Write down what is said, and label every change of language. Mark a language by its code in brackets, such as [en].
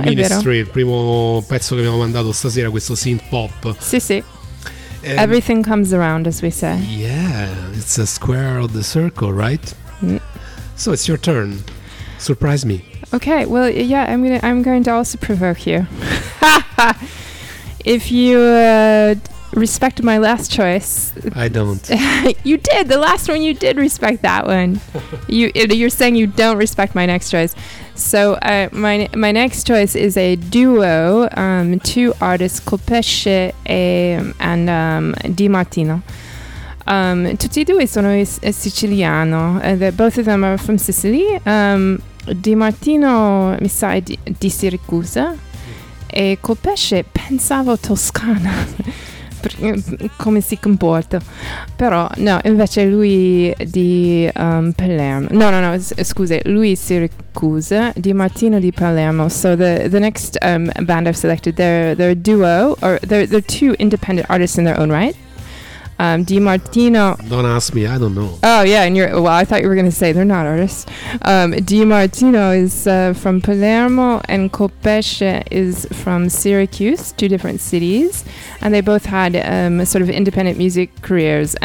[it] Ministry, il primo pezzo che abbiamo mandato stasera, questo synth pop. [en] Sì. Everything comes around, as we say. Yeah, it's a square of the circle, right? So it's your turn. Surprise me. Okay, well, yeah, I'm going to also provoke you. If you respect my last choice. I don't. You did. The last one, you did respect that one. You're saying you don't respect my next choice. So my next choice is a duo, two artists, Colpesce and Di Martino. [it] Tutti e due sono siciliano. [en] Both of them are from Sicily. [it] Di Martino mi sa di Siracusa e Colpesce pensavo toscana come si comporta, però no, invece lui di Palermo, no, scusa, lui Siracusa, Di Martino di Palermo. [en] So the next band I've selected, they're a duo, or they're two independent artists in their own right. Di Martino. Don't ask me, I don't know. Oh, yeah, and you're. Well, I thought you were going to say they're not artists. Di Martino is from Palermo, and Colpesce is from Syracuse, two different cities, and they both had sort of independent music careers.